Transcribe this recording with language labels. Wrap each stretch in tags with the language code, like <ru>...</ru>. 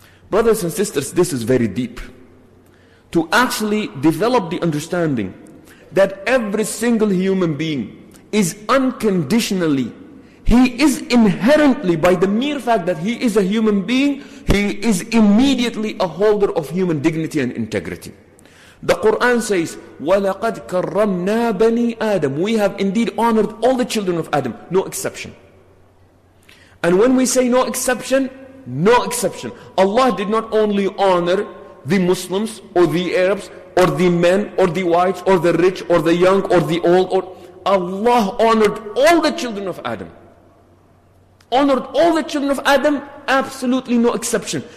<en>Brothers and sisters, this is very deep. To actually develop the understanding that every single human being is unconditionally, he is inherently, by the mere fact that he is a human being, he is immediately a holder of human dignity and integrity. The Quran says,</en> <ar>وَلَقَدْ كَرَّمْنَا بَنِي آدَمْ.</ar> <en>We have indeed honored all the children of Adam, no exception. And when we say no exception, no exception. Allah did not only honor the Muslims or the Arabs or the men or the whites or the rich or the young or the old. Or Allah honored all the children of Adam. Honored all the children of Adam, absolutely no exception.</en>